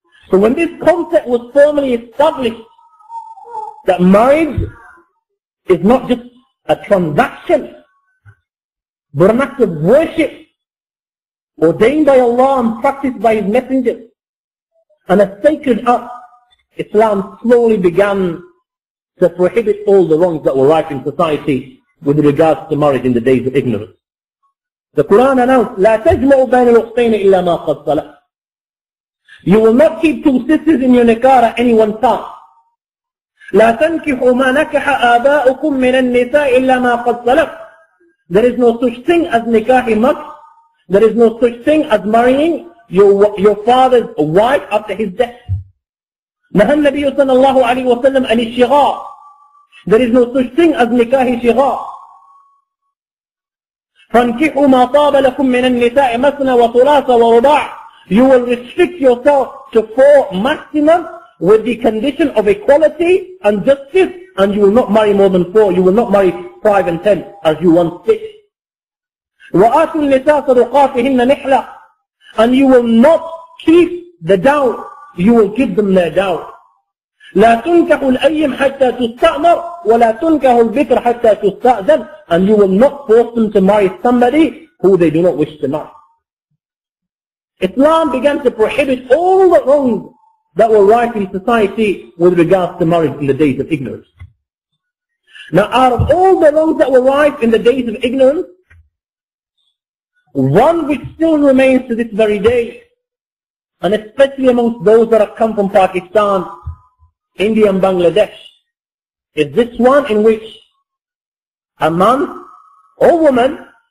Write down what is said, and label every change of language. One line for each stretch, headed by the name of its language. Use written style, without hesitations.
English: So when this concept was firmly established that marriage is not just a transaction but an act of worship ordained by Allah and practiced by His Messenger and a sacred act, Islam slowly began to prohibit all the wrongs that were rife in society with regards to marriage in the days of ignorance.
Arabic: The Quran announced, لا تجمع بين الأختين إلا ما قد صلح.
English: You will not keep two sisters in your nikah at any one time.
Arabic: لا تنكحوا ما نكح آباؤكم من النساء إلا ما قد سلف.
English: There is no such thing as nikah imak. There is no such thing as marrying your father's wife after his death.
Arabic: نهى النبي صلى الله عليه وسلم عن الشغار.
English: There is no such thing as nikah شغار.
Arabic: فانكحوا ما طاب لكم من النساء مثنى وثلاث ورباع.
English: You will restrict yourself to four maximum with the condition of equality and justice, and you will not marry more than four. You will not marry five and ten as you once did.
Arabic: وآتوا النساء صدقاتهن نحلة.
English: And you will not keep the dowry. You will give them their dowry.
Arabic: لا تنكح الأيم حتى تستأمر ولا تنكح البكر حتى تستأذن.
English: And you will not force them to marry somebody who they do not wish to marry. Islam began to prohibit all the wrongs that were rife in society with regards to marriage in the days of ignorance. Now, out of all the loads that were rife in the days of ignorance, one which still remains to this very day, and especially amongst those that have come from Pakistan, India and Bangladesh, is this one in which a man or woman